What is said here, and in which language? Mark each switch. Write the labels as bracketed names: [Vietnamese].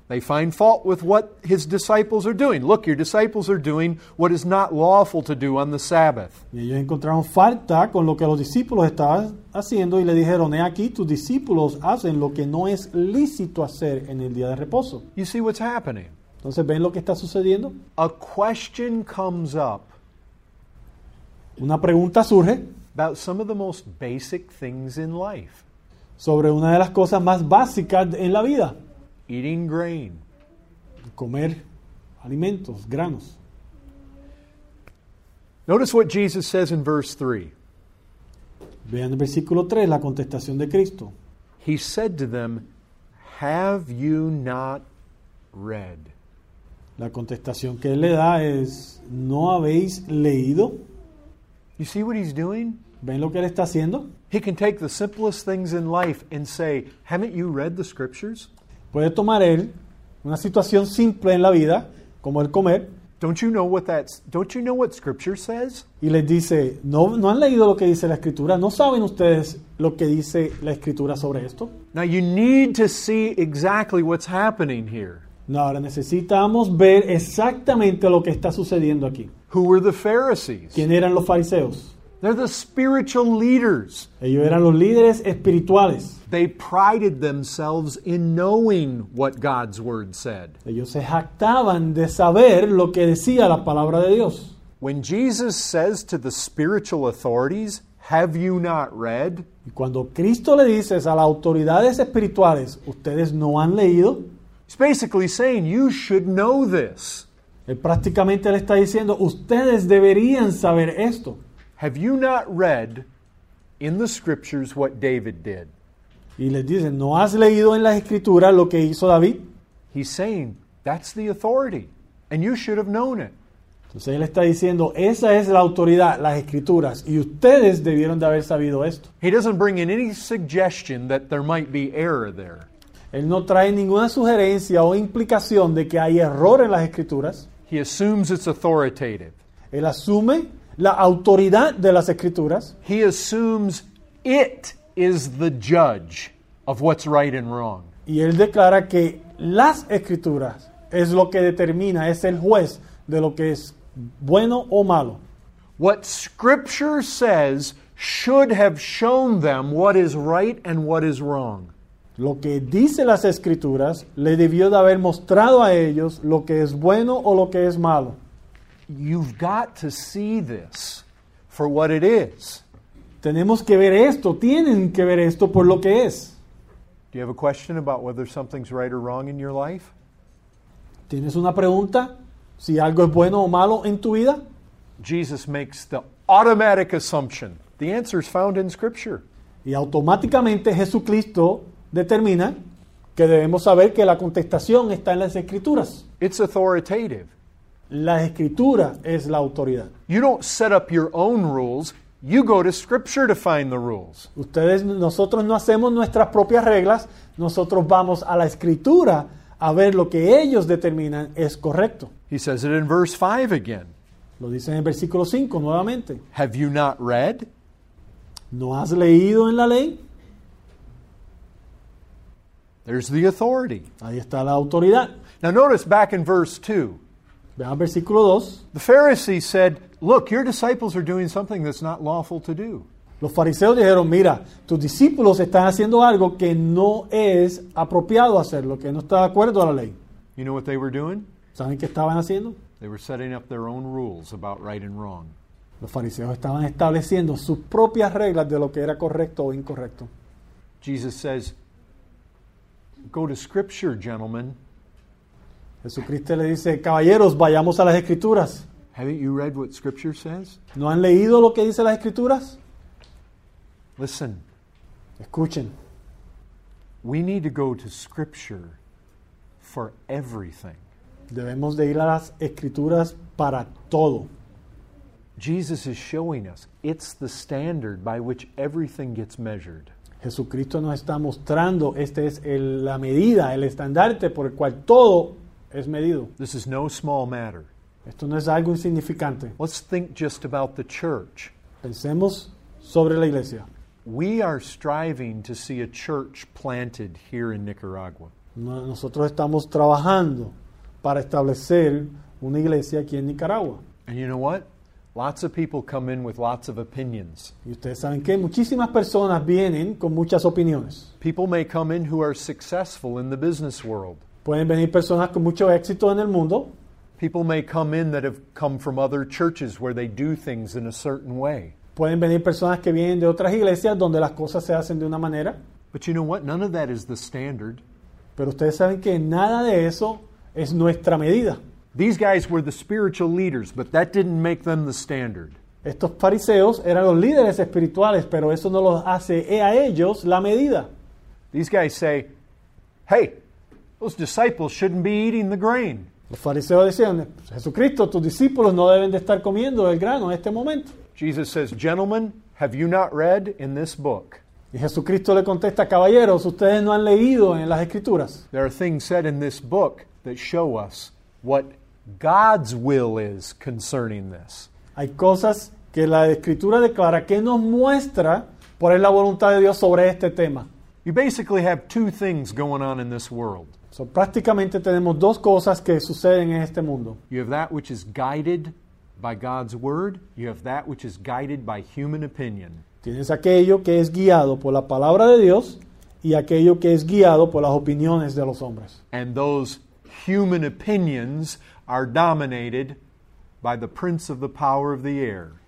[English] They find fault with what his disciples are doing. Look, your disciples are doing what is not lawful to do on the Sabbath. [Spanish] Y ellos encontraron falta con lo que los discípulos estaban haciendo y le dijeron, he aquí, tus discípulos hacen lo que no es lícito hacer en el día de reposo. [English] You see what's happening? [Spanish] Entonces, ¿ven lo que está sucediendo? [English] A question comes up. [Spanish] Una pregunta surge. [English] About some of the most basic things in life. [Spanish] Sobre una de las cosas más básicas en la vida. [English] Eating grain. [Spanish] Comer alimentos, granos. [English] Notice what Jesus says in verse 3. [Spanish] Vean el versículo 3, la contestación de Cristo. [English] He said to them, have you not read? [Spanish] La contestación que él le da es, ¿no habéis leído? [English] You see what he's doing? [Spanish] ¿Ven lo que él está haciendo? [English] He can take the simplest things in life and say, haven't you read the scriptures? [Spanish] Puede tomar él una situación simple en la vida, como el comer. [English] Don't you know what that's? Don't you know what Scripture says? [Spanish] Y les dice, no han leído lo que dice la Escritura. ¿No saben ustedes lo que dice la Escritura sobre esto? [English] Now you need to see exactly what's happening here. [Spanish] No, ahora necesitamos ver exactamente lo que está sucediendo aquí. [English] Who were the Pharisees? [Spanish] ¿Quién eran los fariseos? [English] They're the spiritual leaders. [Spanish] Ellos eran los líderes espirituales. [English] They prided themselves in knowing what God's word said. [Spanish] Ellos se jactaban de saber lo que decía la palabra de Dios. [English] When Jesus says to the spiritual authorities, "Have you not read?" [Spanish] Y cuando Cristo le dice a las autoridades espirituales, ¿ustedes no han leído? [English] He's basically saying, "You should know this." [Spanish] Él prácticamente le está diciendo, ustedes deberían saber esto. [English] Have you not read in the scriptures what David did? [Spanish] Y les dice, ¿no has leído en las escrituras lo que hizo David? [English] He's saying, that's the authority, and you should have known it. [Spanish] Entonces él está diciendo, esa es la autoridad, las escrituras, y ustedes debieron de haber sabido esto. [English] He doesn't bring in any suggestion that there might be error there. [Spanish] Él no trae ninguna sugerencia o implicación de que hay error en las escrituras. [English] He assumes it's authoritative. [Spanish] Él asume la autoridad de las escrituras. [English] He assumes it is the judge of what's right and wrong. [Spanish] Y él declara que las escrituras es lo que determina, es el juez de lo que es bueno o malo. [English] What Scripture says should have shown them what is right and what is wrong. [Spanish] Lo que dice las escrituras le debió de haber mostrado a ellos lo que es bueno o lo que es malo. [English] You've got to see this for what it is. [Spanish] Tenemos que ver esto, tienen que ver esto por lo que es. [English] Do you have a question about whether something's right or wrong in your life? [Spanish] ¿Tienes una pregunta si algo es bueno o malo en tu vida? [English] Jesus makes the automatic assumption. The answer is found in Scripture. [Spanish] Y automáticamente Jesucristo determina que debemos saber que la contestación está en las Escrituras. [English] It's authoritative. [Spanish] La Escritura es la autoridad. [English] You don't set up your own rules. You go to Scripture to find the rules. [Spanish] Nosotros no hacemos nuestras propias reglas. Nosotros vamos a la Escritura a ver lo que ellos determinan es correcto. [English] He says it in verse 5 again. [Spanish] Lo dice en el versículo 5 nuevamente. [English] Have you not read? [Spanish] ¿No has leído en la ley? [English] There's the authority. [Spanish] Ahí está la autoridad. [English] Now notice back in verse 2. [Spanish] Vean versículo 2. [English] The Pharisees said, look, your disciples are doing something that's not lawful to do. [Spanish] Los fariseos dijeron, mira, tus discípulos están haciendo algo que no es apropiado hacerlo, que no está de acuerdo a la ley. [English] You know what they were doing? [Spanish] ¿Saben qué estaban haciendo? [English] They were setting up their own rules about right and wrong. [Spanish] Los fariseos estaban estableciendo sus propias reglas de lo que era correcto o incorrecto. [English] Jesus says, go to Scripture, gentlemen. [Spanish] Jesucristo le dice, caballeros, vayamos a las Escrituras. [English] Haven't you read what Scripture says? [Spanish] ¿No han leído lo que dice las Escrituras? [English] Listen. [Spanish] Escuchen. [English] We need to go to Scripture for everything. [Spanish] Debemos de ir a las Escrituras para todo. [English] Jesus is showing us it's the standard by which everything gets measured. [Spanish] Jesucristo nos está mostrando, esta es la medida, el estandarte por el cual todo es medido. [English] This is no small matter. [Spanish] Esto no es algo insignificante. [English] Let's think just about the church. [Spanish] Pensemos sobre la iglesia. [English] We are striving to see a church planted here in Nicaragua. [Spanish] Nosotros estamos trabajando para establecer una iglesia aquí en Nicaragua. [English] And you know what? Lots of people come in with lots of opinions. [Spanish] ¿Y ustedes saben qué? Muchísimas personas vienen con muchas opiniones. [English] People may come in who are successful in the business world. [Spanish] Pueden venir personas con mucho éxito en el mundo. [English] People may come in that have come from other churches where they do things in a certain way. [Spanish] Pueden venir personas que vienen de otras iglesias donde las cosas se hacen de una manera. [English] But you know what? None of that is the standard. [Spanish] Pero ustedes saben que nada de eso es nuestra medida. [English] These guys were the spiritual leaders, but that didn't make them the standard. [Spanish] Estos fariseos eran los líderes espirituales, pero eso no los hace a ellos la medida. [English] These guys say, hey, those disciples shouldn't be eating the grain. [Spanish] Los fariseos decían, Jesucristo, tus discípulos no deben de estar comiendo el grano en este momento. [English] Jesus says, gentlemen, have you not read in this book? [Spanish] Y Jesucristo le contesta, caballeros, ustedes no han leído en las escrituras. [English] There are things said in this book that show us what God's will is concerning this. [Spanish] Hay cosas que la Escritura declara que nos muestra por la voluntad de Dios sobre este tema. [English] You basically have two things going on in this world. [Spanish] So, prácticamente tenemos dos cosas que suceden en este mundo. [English] You have that which is guided by God's word. You have that which is guided by human opinion. [Spanish] Tienes aquello que es guiado por la palabra de Dios y aquello que es guiado por las opiniones de los hombres. [English] And those human opinions are dominated by the prince of the power of the air.